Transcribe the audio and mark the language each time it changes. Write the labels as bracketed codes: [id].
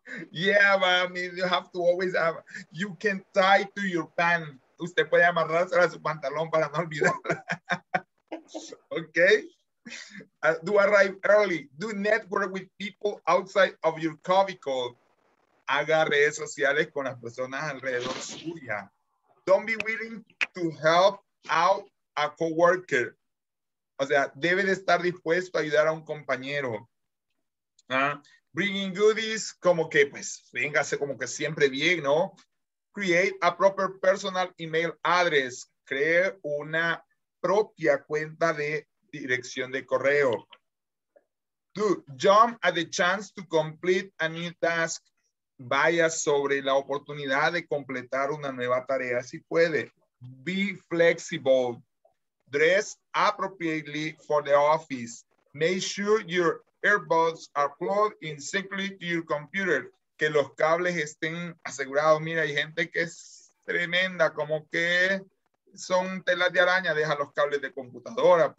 [en] Yeah, but I mean, you have to always have, you can tie to your pants. [es] Usted puede amarrarse a su pantalón para no olvidar. [en] Okay? Do arrive early. Do network with people outside of your cubicle. [es] Haga redes sociales con las personas alrededor suya. [en] Don't be willing to help out a coworker. [es] O sea, debe de estar dispuesto a ayudar a un compañero. [en] Bringing goodies, [es] como que, pues, véngase como que siempre bien, ¿no? [en] Create a proper personal email address. [es] Cree una propia cuenta de dirección de correo. 2. [en] Jump at the chance to complete a new task. [es] Vaya sobre la oportunidad de completar una nueva tarea, si puede. [en] Be flexible. Dress appropriately for the office. Make sure your earbuds are plugged in securely to your computer. [es] Que los cables estén asegurados. Mira, hay gente que es tremenda, como que son telas de araña, deja los cables de computadora.